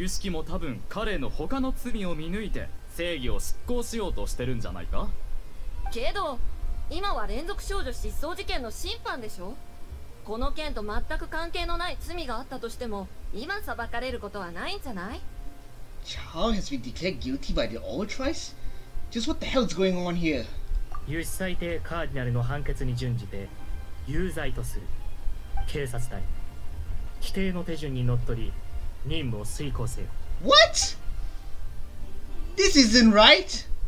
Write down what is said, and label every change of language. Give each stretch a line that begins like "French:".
Japanese: ユシキも多分彼の他の罪を見抜いて正義を執行しようとしてるんじゃないか。けど今は連続少女失踪事件の審判でしょ。この件と全く関係のない罪があったとしても今裁かれることはないんじゃない。
English: チャオ has been declared guilty by the old trice? Just what the hell is going on here?
Japanese: 由子裁定カーディナルの判決に準じて有罪とする。警察隊、規定の手順にのっとり任務を遂行せよ。
English: What? This isn't right.